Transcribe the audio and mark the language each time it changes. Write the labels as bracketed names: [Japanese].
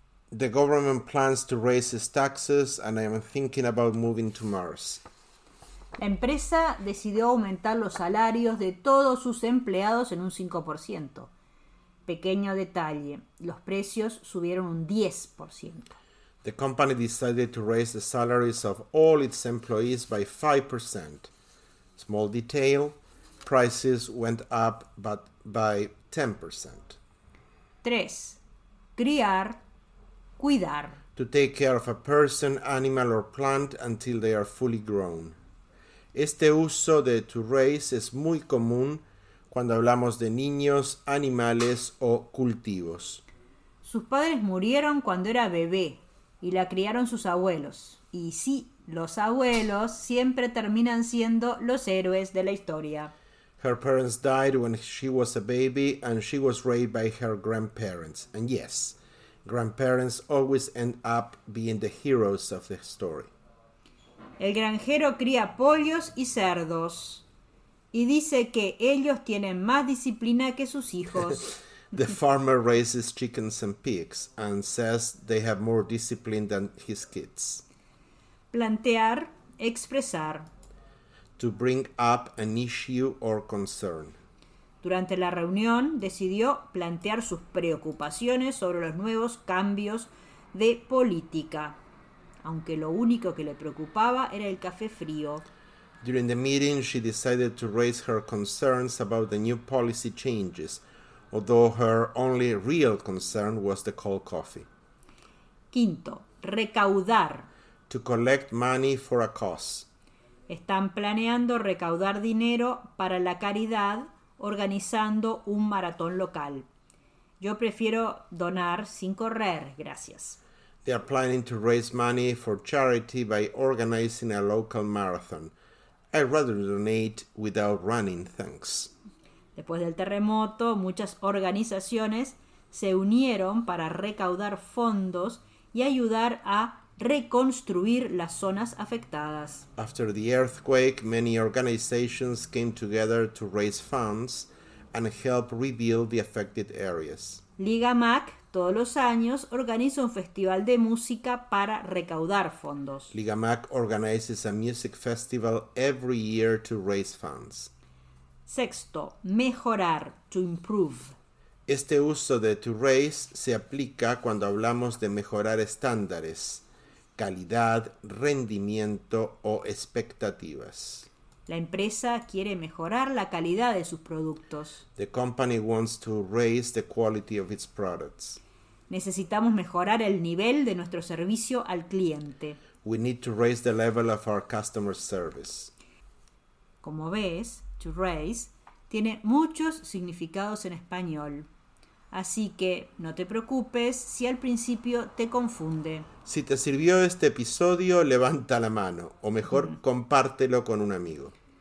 [English] The government plans to raise its taxes, and I am thinking about moving to Mars. [Spanish] La empresa decidió aumentar los salarios de todos sus empleados en un 5%. Pequeño detalle, los precios subieron un 10%. [English] The company decided to raise the salaries of all its employees by 5%. Small detail, prices went up but by 10%. [Spanish] 3. Criar. Cuidar. [English] To take care of a person, animal or plant until they are fully grown. [Spanish] Este uso de [English] to raise [Spanish] es muy común cuando hablamos de niños, animales o cultivos. Sus padres murieron cuando era bebé y la criaron sus abuelos. Y sí, los abuelos siempre terminan siendo los héroes de la historia. [English] Her parents died when she was a baby and she was raised by her grandparents. And yes, grandparents always end up being the heroes of the story. [Spanish] El granjero cría pollos y cerdos y dice que ellos tienen más disciplina que sus hijos. [English] The farmer raises chickens and pigs and says they have more discipline than his kids. [Spanish] Plantear, expresar. [English] To bring up an issue or concern. [Spanish] Durante la reunión decidió plantear sus preocupaciones sobre los nuevos cambios de política, aunque lo único que le preocupaba era el café frío. [English] During the meeting, she decided to raise her concerns about the new policy changes, although her only real concern was the cold coffee. [Spanish] 5. Recaudar. [English] To collect money for a cause. [Spanish] Están planeando recaudar dinero para la caridad organizando un maratón local. Yo prefiero donar sin correr, gracias. [English] They are planning to raise money for charity by organizing a local marathon. I'd rather donate without running, thanks. [Spanish] Después del terremoto, muchas organizaciones se unieron para recaudar fondos y ayudar a reconstruir las zonas afectadas. [English] After the earthquake, many organizations came together to raise funds and help rebuild the affected areas. [Spanish] Liga MAC Todos los años organiza un festival de música para recaudar fondos. [English] Ligamac organizes a music festival every year to raise funds. [Spanish] Sexto, mejorar, [English] to improve. [Spanish] Este uso de [English] to raise [Spanish] se aplica cuando hablamos de mejorar estándares, calidad, rendimiento o expectativas. La empresa quiere mejorar la calidad de sus productos. [English] The company wants to raise the quality of its products. [Spanish] Necesitamos mejorar el nivel de nuestro servicio al cliente. [English] We need to raise the level of our customer service. [Spanish] Como ves, [English] to raise [Spanish] tiene muchos significados en español. Así que no te preocupes si al principio te confunde. Si te sirvió este episodio, levanta la mano. O mejor, compártelo con un amigo.